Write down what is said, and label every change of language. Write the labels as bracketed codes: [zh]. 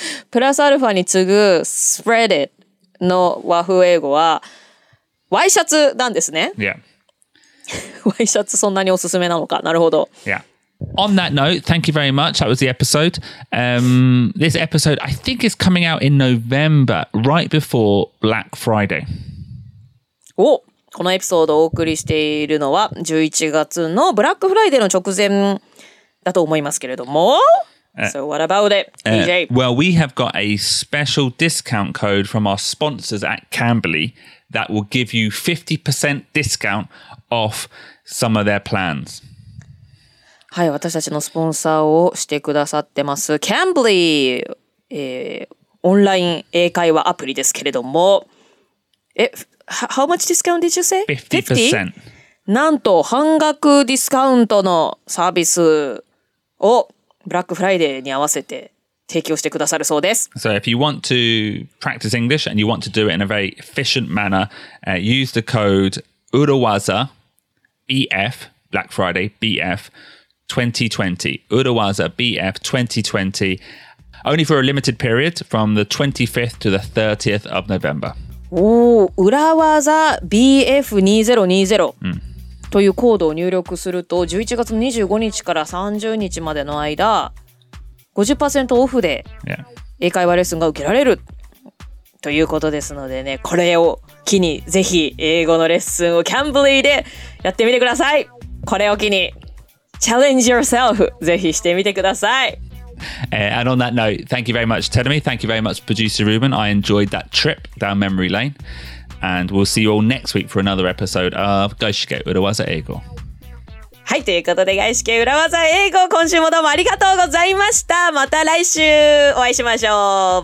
[ja] Plus alpha に次ぐ [en] spread it [ja] の和風英語は white shirts なんですね。 [en] Yeah. [ja] White shirts そんなにおすすめなのか。なるほど。 [en] Yeah. On that note, thank you very much. That was the episode. This episode, I think, is coming out in November, right before Black Friday. [ja] Oh, このエピソードをお送りしているのは11月のブラックフライデーの直前だと思いますけれども。 [en] So what about it, DJ? Well, we have got a special discount code from our sponsors at Cambly that will give you 50% discount off some of their plans. [ja] はい、私たちのスポンサーをしてくださってます Cambly、オンライン英会話アプリですけれども、 [en] It, how much discount did you say? 50%. [ja] なんと半額ディスカウントのサービスをブラックフライデーに合わせて提供してくださるそうです。 [en] So if you want to practice English and you want to do it in a very efficient manner,、use the code URAWAZA BF, Black Friday BF 2020. URAWAZA BF 2020. Only for a limited period from the 25th to the 30th of November. [ja] おー、URAWAZA BF2020、というコードを入力すると11月25日から30日までの間 50% オフで英会話レッスンが受けられるということですのでね、これを機にぜひ英語のレッスンをキャンブリーでやってみてください。これを機にチャレンジ yourself、 ぜひしてみてください。 [en] And on that note, thank you very much, Tedemi. Thank you very much, producer Ruben. I enjoyed that trip down memory lane. And we'll see you all next week for another episode of Gaishike Urawaza Eigo. [ja] はい、ということで、Gaishike Urawaza Eigo、今週もどうもありがとうございました。また来週お会いしましょう。